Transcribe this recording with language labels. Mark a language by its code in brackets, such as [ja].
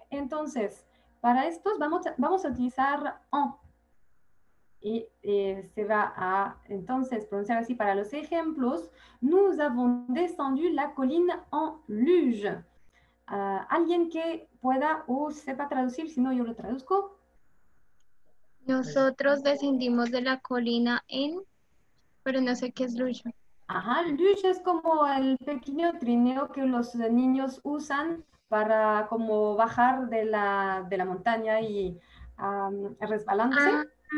[es] Entonces, para estos vamos a utilizar en. Y se va a, entonces, pronunciar así para los ejemplos. [fr] Nous avons descendu la colline en luge. [es] Alguien que pueda o sepa traducir, si no yo lo traduzco. Nosotros descendimos de la colina en... Pero no sé qué es luge. Ajá, luge es como el pequeño trineo que los niños usan para como bajar de la montaña y resbalándose.